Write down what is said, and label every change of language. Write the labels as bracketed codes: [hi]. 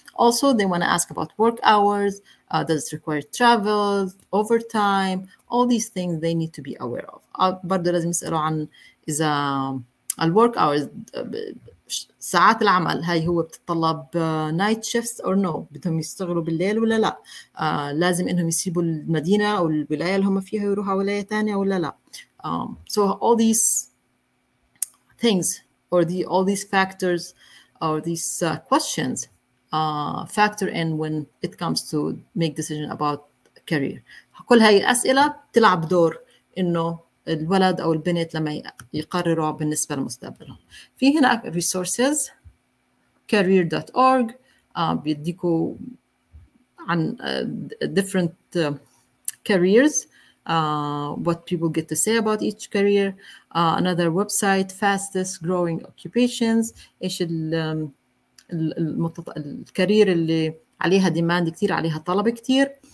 [en] Also, they want to ask about work hours. Does it require travel, overtime? All these things they need to be aware of. [ar] برضو لازم يسألوا عن إذا ال [en] work hours [ar] ساعات العمل هاي هو بتطلب [en] night shifts or no [ar] بدهم يشتغلوا بالليل ولا لا لازم إنهم يسيبوا المدينة أو الولاية اللي هم فيها يروحوا ولاية تانية ولا لا. [en] So all these things or the all these factors or these questions factor in when it comes to make decision about career. [ar] كل هاي الأسئلة تلعب دور إنه الولد أو البنت لما يقرروا بالنسبة لمستقبلهم. في هنا resources career.org بيديكوا عن [en] different careers. What people get to say about each career. Another website, fastest growing occupations. [ar] إيش الكارير اللي عليها demand كتير عليها طلب كتير.